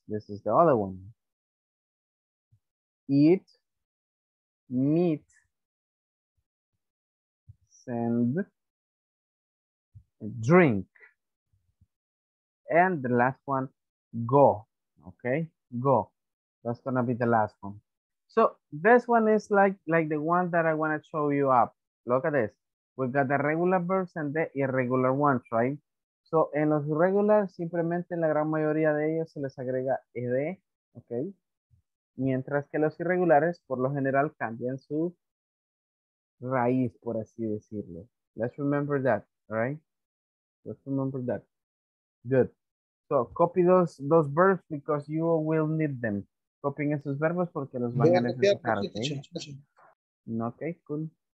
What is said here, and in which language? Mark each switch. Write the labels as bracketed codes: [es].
[en] This is the other one. Eat, meet, send, drink. And the last one. Go, okay, go. That's gonna be the last one. So this one is like the one that I wanna show you up. Look at this. We've got the regular verbs and the irregular ones, right? [es] So en los regulares, simplemente en la gran mayoría de ellos se les agrega ed, okay? Mientras que los irregulares, por lo general, cambian su raíz, por así decirlo. [en] Let's remember that, all right? Let's remember that. Good. So copy those verbs because you will need them. [es] Copying esos verbos porque los van a necesitar. Okay? Okay, cool.